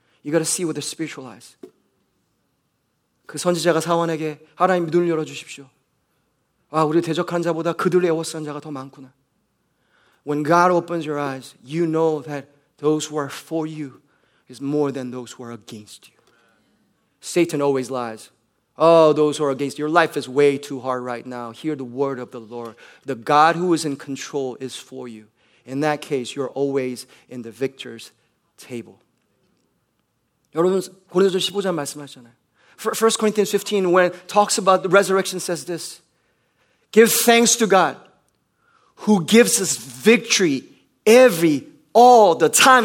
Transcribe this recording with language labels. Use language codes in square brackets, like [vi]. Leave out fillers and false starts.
[en] You gotta see with the spiritual eyes. [ko] 그 선지자가 사원에게 하나님 눈을 열어주십시오. 아, 우리 대적한 자보다 그들 애워싼 자가 더 많구나. [en] When God opens your eyes, you know that those who are for you is more than those who are against you. Satan always lies. Oh, those who are against your life is way too hard right now. Hear the word of the Lord. The God who is in control is for you. In that case, you're always in the victor's table. [ko] 여러분, 고린도전서 15장 말씀하셨잖아요. [en] 1 Corinthians 15, when it talks about the resurrection, says this. Give thanks to God who gives us victory every, all the time.